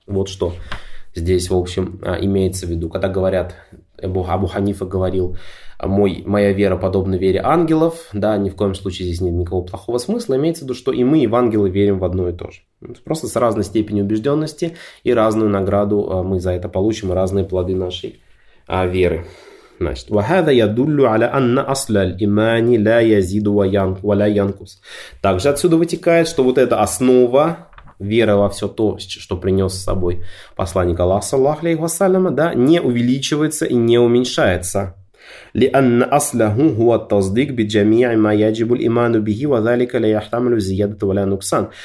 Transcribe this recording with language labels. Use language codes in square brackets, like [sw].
[ru] Вот что здесь, в общем, имеется в виду. Когда говорят, Абу Ханифа говорил, моя вера подобна вере ангелов, да, ни в коем случае здесь нет никакого плохого смысла, имеется в виду, что и мы, и в ангелы верим в одно и то же. Просто с разной степенью убежденности и разную награду мы за это получим, разные плоды нашей веры. [ar] Значит, وَهَذَا يَدُلُّ عَلَى أَنَّ أَصْلَ الْإِمَانِ لَا يَزِيدُ وَلَا يَنْقُسُ. [ru] Также отсюда вытекает, что вот эта основа, вера во все то, что принес с собой посланник Аллаха, саллаллаху алейхи ва саллям, да, не увеличивается и не уменьшается. [ar] لِأَنَّ أَصْلَهُ هُوَ التَّصْدِيق بِجَمِيعِ مَا يَجِبُ الْإِمَانُ بِهِ وَذَلِكَ لَيَحْتَمِلُ زِيَادَةً وَلَا نُقْصَانَ.